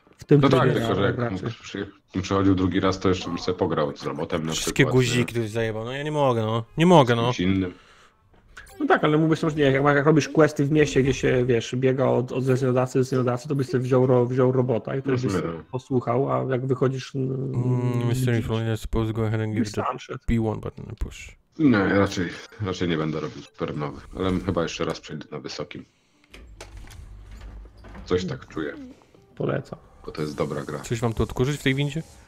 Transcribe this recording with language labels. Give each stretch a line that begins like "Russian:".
Polish: no trybie, tak, tylko że jak bym przychodził drugi raz, to jeszcze bym sobie pograł z robotem. Wszystkie guziki ktoś zajebał, no ja nie mogę, no. Nie mogę, no. Z innym. No tak, ale mówisz, że nie, jak robisz questy w mieście, gdzie się, wiesz, biega od zleceniodawcy do zleceniodawcy, to byś sobie wziął robota i to byś posłuchał, a jak wychodzisz...
English: Mr. Influenza, suppose go ahead and give the B1 button a push.
Polish: Nie, raczej nie będę robił supernowy, ale chyba jeszcze raz przejdę na wysokim. Coś tak czuję. Polecam. Bo to jest dobra gra. Coś mam tu odkurzyć w tej windzie?